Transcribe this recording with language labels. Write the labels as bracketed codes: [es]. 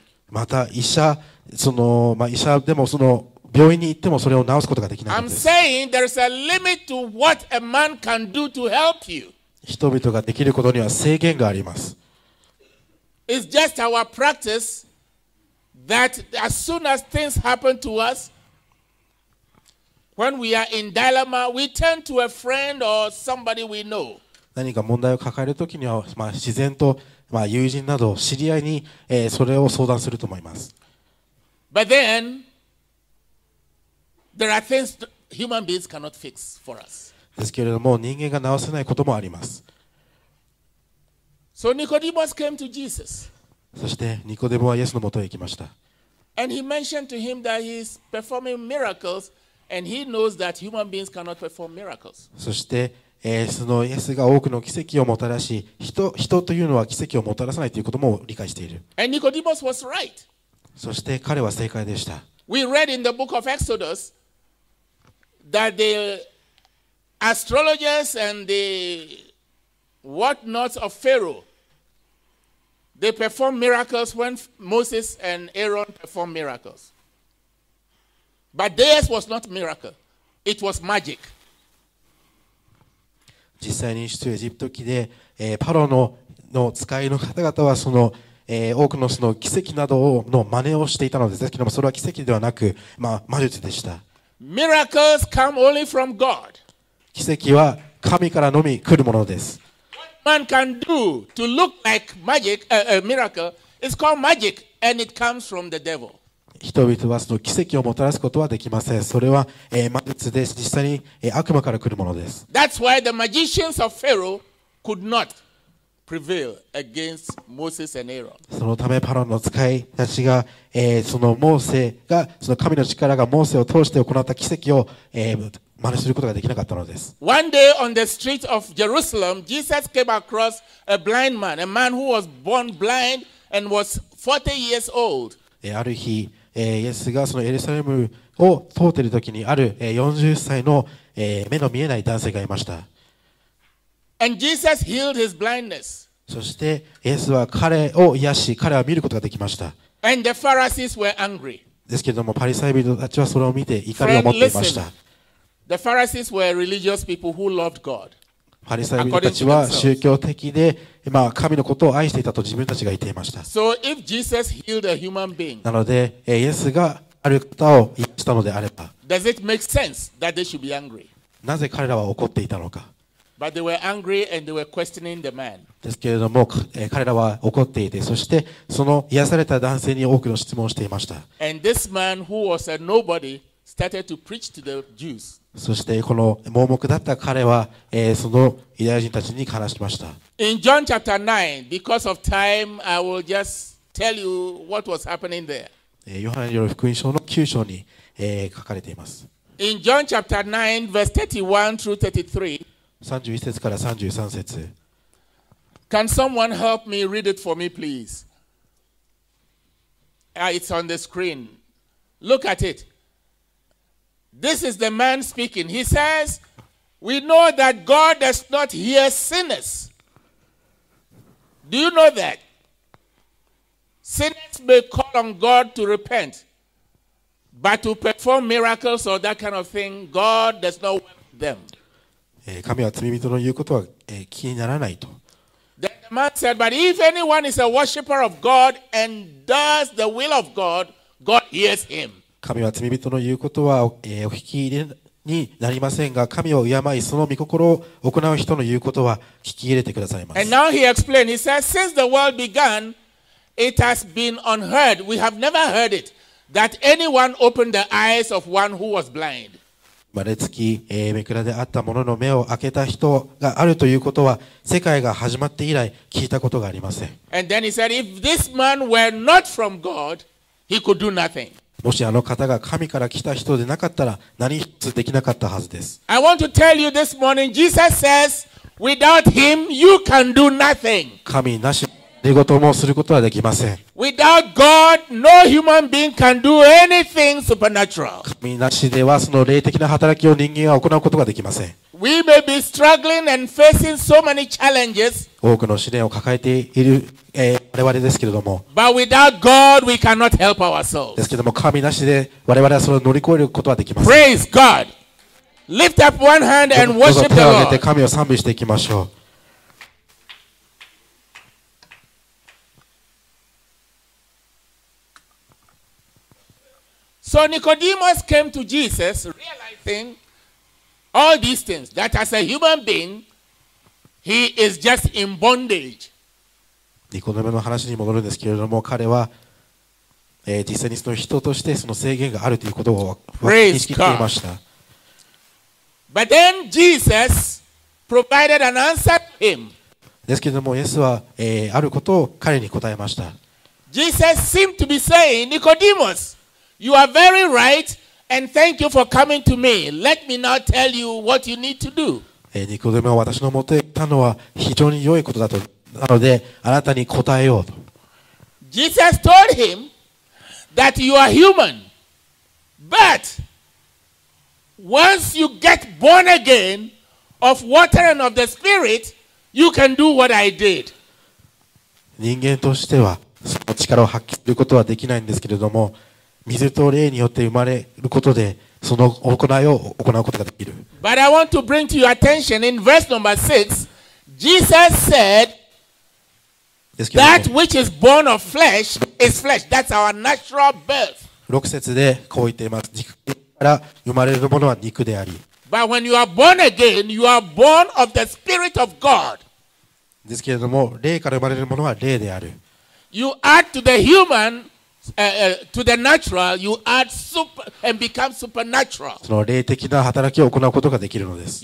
[ja] また医者、医者でもその病院に行ってもそれを治すことができないんです。人々ができることには制限があります。 [en] It's just our practice that as soon as things happen to usWhen we are in dilemma, we turn to a friend or somebody we know. [ja] 何か問題を抱えるときには、自然と友人など知り合いに、それを相談すると思います。 [en] But then, there are things human beings cannot fix for us. [ja] ですけれども、人間が治せないこともあります。 [en] So Nicodemus came to Jesus. [ja] そしてニコデモはイエスのもとへ行きました。 [en] And he mentioned to him that he's performing miraclesAnd he knows that human beings cannot perform miracles. [ja] そして、そのイエスが多くの奇跡をもたらし、人というのは奇跡をもたらさないということも理解している。 [en] And Nicodemus was right. [ja] そして彼は正解でした。 [en] We read in the book of Exodus that the astrologers and the whatnots of Pharaoh, they performed miracles when Moses and Aaron performed miracles. But theirs was not miracle. It was magic. [ja] 実際に出エジプト記で、パロ の使いの方々はその、多くの その奇跡などをの真似をしていたのですけども、それは奇跡ではなく、魔術でした。 [en] Miracles come only from God. [ja] 奇跡は神からのみ来るものです。 [en] What man can do to look like magic, miracle is called magic and it comes from the devil. [ja] 人々はその奇跡をもたらすことはできません。それは、魔術です。実際に、悪魔から来るものです。 [en] That's why the magicians of Pharaoh could not prevail against Moses and Aaron. [ja] そのためパロの使いたちが、そのモーセが、その神の力がモーセを通して行った奇跡を、真似することができなかったのです。 [en] One day on the street of Jerusalem, Jesus came across a blind man, a man who was born blind and was 40 years old. [ja] ある日、イエスがそのエルサレムを通っているときに、ある40歳の目の見えない男性がいました。 [en] And Jesus healed his blindness. [ja] そして、イエスは彼を癒し、彼は見ることができました。 [en] And the Pharisees were angry. [ja] ですけれども、パリサイ人たちはそれを見て怒りを持っていました。 [en] Friend, the Pharisees were religious people who loved God. [ja] パリサイ人たちは宗教的で、神のことを愛していたと自分たちが言っていました。 [en] So、if Jesus healed a human being, [ja] なので、イエスがある方を言ったのであれば、 [en] does it make sense that they should be angry? [ja] なぜ彼らは怒っていたのか。 [en] But they were angry and they were questioning the man. [ja] ですけれども、彼らは怒っていて、そしてその癒された男性に多くの質問をしていました。 [en] And this man who was a nobody started to preach to the Jews. [ja] そしてこの盲目だった彼は、そのユダヤ人たちに話しました。 [en] In John chapter 9, because of time, I will just tell you what was happening there. [ja] ヨハネによる福音書の9章に、書かれています。 [en] In John chapter 9, verse 31 through 33. [ja] 31節から33節。 [en] Can someone help me read it for me, please? It's on the screen. Look at it. This is the man speaking. He says, we know that God does not hear sinners. Do you know that? Sinners may call on God to repent, but to perform miracles or that kind of thing, God does not want them. [ja] 神は罪人の言うことは気にならないと。 [en] Then the man said, but if anyone is a worshipper of God and does the will of God, God hears him. [ja] 神は罪人の言うことはお聞き入れになりませんが、神を敬いその御心を行う人の言うことは聞き入れてくださいます。 [en] And now he explained, he says, since the world began, it has been unheard, we have never heard it, that anyone opened the eyes of one who was blind. [ja] 生まれつき、目くらであった者の目を開けた人があるということは、世界が始まって以来聞いたことがありません。 [en] And then he said, if this man were not from God, he could do nothing. [ja] もしあの方が神から来た人でなかったら、何一つできなかったはずです。 [en] I want to tell you this morning, Jesus says, without him, you can do nothing. [ja] 神なし、何事もすることはできません。 [en] Without God, no human being can do anything supernatural. [ja] 神なしではその霊的な働きを人間は行うことができません。 [en] We may be struggling and facing so many challenges. [ja] 多くの試練を抱えている、我々ですけれども。 [en] But without God, we cannot help ourselves. [ja] ですけれども、神なしで我々はそれを乗り越えることはできません。 [en] Praise God! Lift up one hand and worship the Lord. [ja] 手を挙げて神を賛美していきましょう。 [en] So Nicodemus came to Jesus, realizing all these things, that as a human being, he is just in bondage. [ja] ニコデモの話に戻るんですけれども、彼は、実際にその人としてその制限があるということを認識していました。 [en] But then Jesus provided an answer to him. [ja] ですけれども、イエスは、あることを彼に答えました。 [en] Jesus seemed to be saying, Nicodemus,You are very right, and thank you for coming to me. Let me now tell you what you need to do. [ja] ニコデモは私の持っていたのは非常に良いことだと、なので、あなたに答えようと。 [en] Jesus told him that you are human, but once you get born again of water and of the Spirit, you can do what I did. [ja] 人間としてはその力を発揮することはできないんですけれども、水と霊によって生まれることでその行いを行うことができる。 [en] But I want to bring to your attention in verse number 6, Jesus said, that which is born of flesh is flesh. That's our natural birth. [ja] 6節でこう言っています。肉から生まれるものは肉であり。 [en] But when you are born again, you are born of the Spirit of God. [ja] ですけれども、霊から生まれるものは霊である。 [en] You add to the humanto the natural, you add super and become supernatural. [ja] その霊的な働きを行うことができるのです。